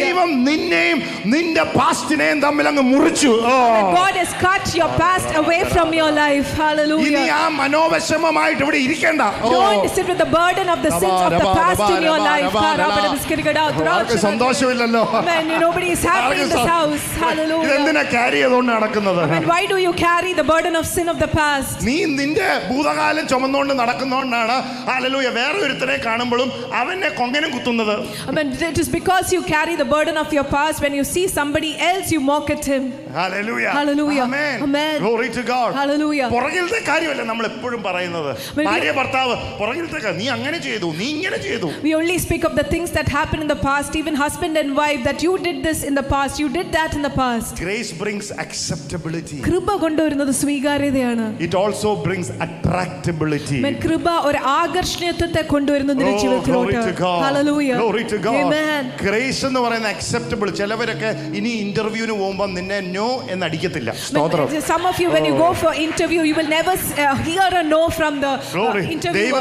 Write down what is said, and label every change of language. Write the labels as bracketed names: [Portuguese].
[Malayalam] ദൈവം നിന്നെയും നിന്റെ പാസ്റ്റിനെയും തമ്മിൽ അങ്ങ് മുറിച്ചു. [English] God has cut your past away from your life. Hallelujah. Don't sit with the burden of the sins of the past in your life. Amen. Nobody is happy in this house. Hallelujah. And why do you carry the burden of sin of the past? It is because you carry the burden of your past. When you see somebody else, you mock at him. Hallelujah. Hallelujah. Amen. Amen. Glory to God. Hallelujah. [Malayalam] പുറകിലത്തെ കാര്യമല്ല നമ്മൾ എപ്പോഴും പറയുന്നത്. ഭാര്യ ഭർത്താവ് പുറകിലത്തെ നീ അങ്ങനെ ചെയ്തു നീ ഇങ്ങനെ ചെയ്തു. [English] We only speak of the things that happened in the past, even husband and wife, that you did this in the past, you did that in the past. Grace brings acceptability. [Malayalam] കൃപ കൊണ്ടുവരുന്നത് സ്വീകാര്യതയാണ്. [English] It also brings attractability. [Malayalam] May കൃപ ഒരു ആകർഷണീയത്വത്തെ കൊണ്ടുവരുന്നു നിന്റെ ജീവിതത്തിലോട്ട്. [English] Hallelujah. Glory to God. Amen. [Malayalam] Grace എന്ന് പറയുന്നത് acceptable. ചിലവരൊക്കെ ഇനി ഇന്റർവ്യൂവിന് പോകുമ്പോൾ നിന്നെ നോ എന്ന് അടിക്കത്തില്ല. സ്തോത്രം. [English] Some of you, when you go for interview, you will never hear a no from the interviewer.